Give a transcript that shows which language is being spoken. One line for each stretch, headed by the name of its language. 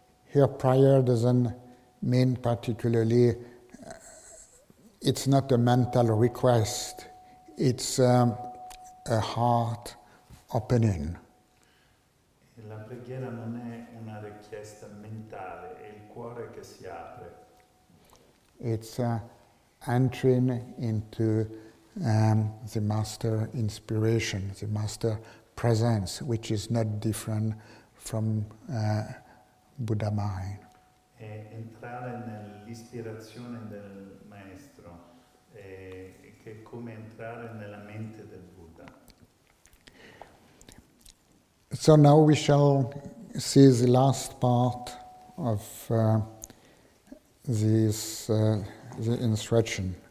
English: Here, prior doesn't mean particularly, it's not a mental request, it's a heart opening.
Italian: La preghiera non è una richiesta mentale, è il cuore che si apre.
English: It's entering into the master inspiration, the master presence, which is not different from Buddha mind.
Italian: È entrare nell'ispirazione del maestro, che è come entrare nella mente del Buddha.
English: So now we shall see the last part of the instruction.